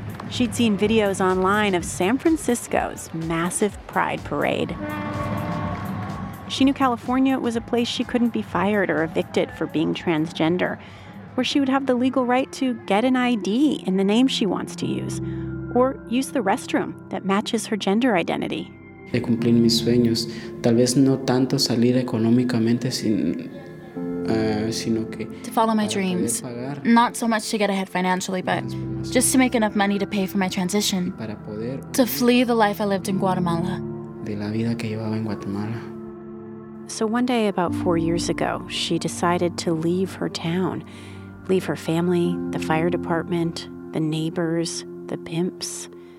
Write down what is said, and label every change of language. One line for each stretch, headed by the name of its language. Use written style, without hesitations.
English: She'd seen videos online of San Francisco's massive pride parade. She knew California was a place she couldn't be fired or evicted for being transgender, where she would have the legal right to get an ID in the name she wants to use, or use the restroom that matches her gender identity.
Spanish: De cumplir mis sueños, tal vez no tanto salir económicamente sin...
English: To follow my dreams, not so much to get ahead financially, but just to make enough money to pay for my transition, to flee the life I lived in Guatemala.
Spanish: De la vida que llevaba en Guatemala.
English: So one day, about 4 years ago, she decided to leave her town, leave her family, the fire department, the neighbors, the pimps.